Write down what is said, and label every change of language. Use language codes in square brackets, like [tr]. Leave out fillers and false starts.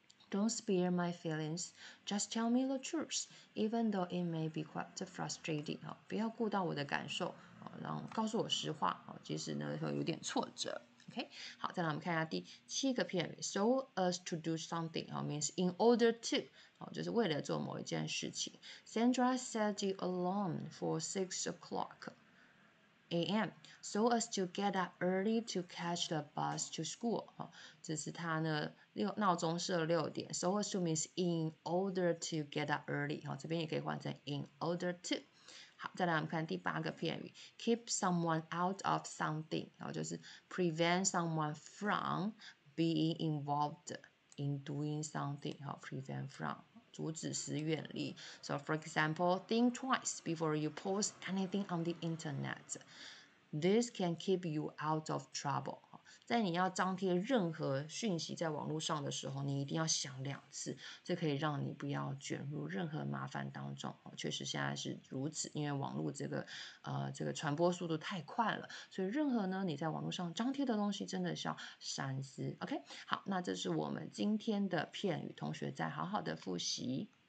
[en] Don't spare my feelings. Just tell me the truth, even though it may be quite frustrating. [zh] 不要顾到我的感受，然后告诉我实话，即使呢会有点挫折。 OK， 好，再来我们看一下第七个片语 ， [en] so as to do something. Means in order to. [zh] 就是为了做某一件事情。 [en] Sandra set the alarm for 6 o'clock a.m. so as to get up early to catch the bus to school. [zh] 这是他呢。闹钟设六点 ， [en] so as to means in order to get up early， [zh] 好，这边也可以换成 [en] in order to。 [zh] 好，再来我们看第八个片语 [en] ，keep someone out of something， 好，就是 prevent someone from being involved in doing something， 好 ，prevent from [zh] 阻止时远离。 [en] So for example， think twice before you post anything on the internet。 This can keep you out of trouble. [zh] 在你要张贴任何讯息在网络上的时候，你一定要想两次，这可以让你不要卷入任何麻烦当中。确实现在是如此，因为网络这个传播速度太快了，所以任何呢你在网络上张贴的东西真的是要三思。OK， 好，那这是我们今天的片语，同学再好好的复习。